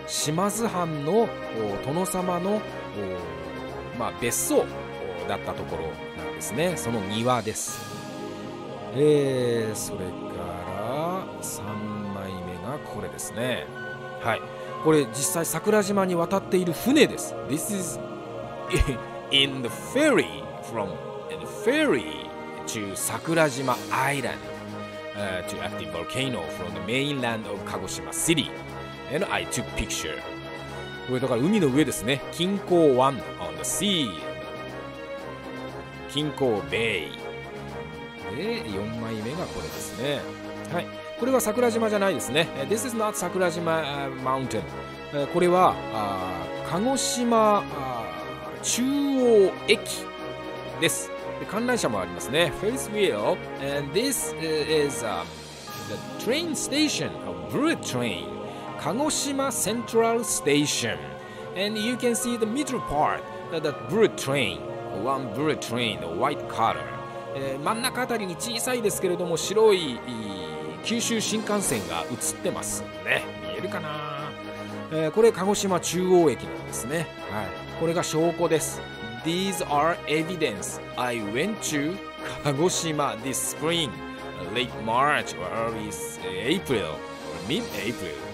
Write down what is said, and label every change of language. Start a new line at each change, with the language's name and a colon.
Japanese: 島津藩の殿様の、まあ、別荘だったところなんですね。その庭です。それから3枚目がこれですね。はい、これ実際桜島に渡っている船です。
English: This is in the ferry from the ferry to 桜島 island、to active volcano from the mainland of 鹿児島 city and I took picture。
Japanese: これだから海の上ですね。錦江湾
English: on the sea 錦江 bay
Japanese: で4枚目がこれですね。はい、これは桜島じゃないですね。
English: This is not 桜島 mountain。
Japanese: これは鹿児島中央駅です。で観覧車もありますね。
English: Ferris wheel and this is the train station of bullet train 鹿児島 central station and you can see the middle part the bullet train one bullet train the white color、
Japanese: 真ん中あたりに小さいですけれども白い九州新幹線が映ってますね。見えるかな。これ鹿児島中央駅なんですね。はい、これが証拠です。
English: These are evidence I went to 鹿児島 this spring late March or early April or mid April